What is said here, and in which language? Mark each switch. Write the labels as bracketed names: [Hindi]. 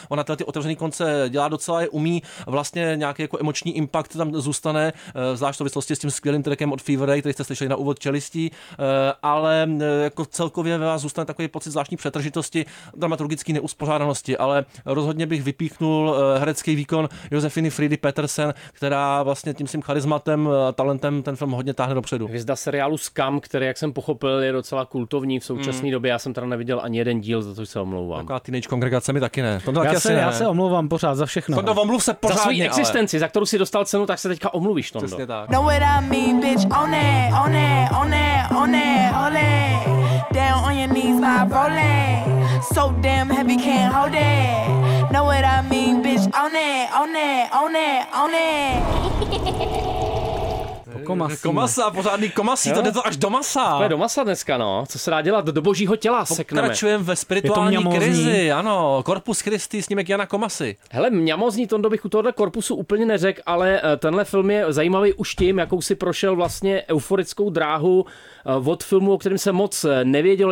[Czech] Ona ty otevřený konce dělá docela je umí. Vlastně nějaký jako emoční impact tam zůstane, zvlášť v souvislosti s tím skvělým trackem od Fevere, který jste slyšeli na úvod Čelistí, ale jako celkově ve vás zůstane takový pocit zvláštní přetržitosti, dramaturgické neuspořádanosti, ale rozhodně bych vypíchnul herecký výkon Josefiny Fridy Petersen, která vlastně tím svým charismatem a talentem ten film hodně táhne dopředu. Hvězda seriálu Scam, který, jak jsem pochopil, je docela kultovní v současné době. Já jsem teda neviděl ani jeden díl, za to se omlouvám. Taková teenage kongregace mi taky ne. Já se omlouvám pořád za všechno. Tondo, omluv se pořádně, za svou existenci, za kterou si dostal cenu, tak se teďka omluvíš, Tondo. Přesně tak. [English] Know what I mean, bitch, on it, on it, on it, on it, on it. Down on your knees, my rolling. So damn heavy, can't hold it. Know what I mean, bitch, on it, on it, on it, on it. [Czech] Komasa, pořádný komasí, jo? To jde to až do masa. To je do masa dneska, no. Co se dá dělat? Do božího těla sekneme. Pokračujeme ve spirituální krizi, ano. Korpus Christi, snímek Jana Komasy. Hele, mňamozní, Tondo, bych u tohohle korpusu úplně neřekl, ale tenhle film je zajímavý už tím, jakou si prošel vlastně euforickou dráhu od filmu, o kterém se moc nevěděl.